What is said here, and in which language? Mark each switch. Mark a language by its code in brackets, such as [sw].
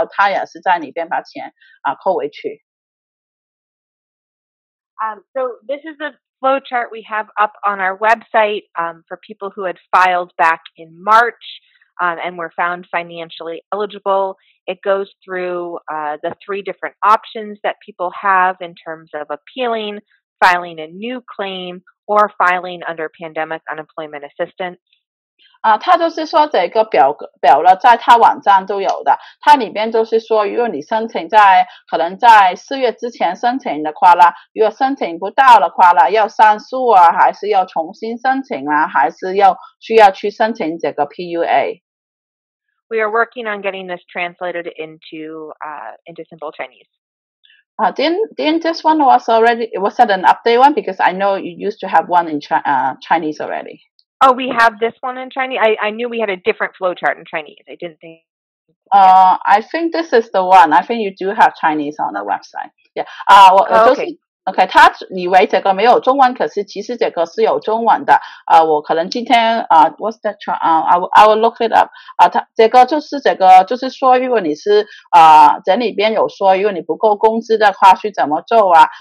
[zh] 然后也有可能就是说之前付钱给你付太多了，可能是现在可能付钱，为什么可能有的拿了钱然后停了，有可能现在给钱你给太多了，所以他就是现在不是没有钱给你，只是里边就把它扣出来了，也有可能是之前你拿过失业金然后拿多了，然后他也是在里边把钱扣回去。 [en] So this is a flow chart we have up on our website for people who had filed back in March. And were found financially eligible. It goes through the three different options that people have in terms of appealing, filing a new claim, or filing under pandemic unemployment assistance. [zh] 他就是说这个表格表了在他网站都有的，他里面就是说如果你申请在可能在四月之前申请的话啦，如果申请不到的话啦，要上诉啊，还是要重新申请啊，还是要需要去申请这个 PUA。 [en] We are working on getting this translated into simple Chinese. Didn't this one was already, was that an update one? Because I know you used to have one in Chinese already. Oh, we have this one in Chinese? I knew we had a different flowchart in Chinese. I didn't think. I think this is the one. I think you do have Chinese on the website. Yeah. Okay, [zh] 他以为这个没有中文，可是其实这个是有中文的。 [en] 我可能今天 what's that I will look it up. [zh] 这个就是这个，就是说，如果你是这里边有说，如果你不够工资的话，去怎么做啊？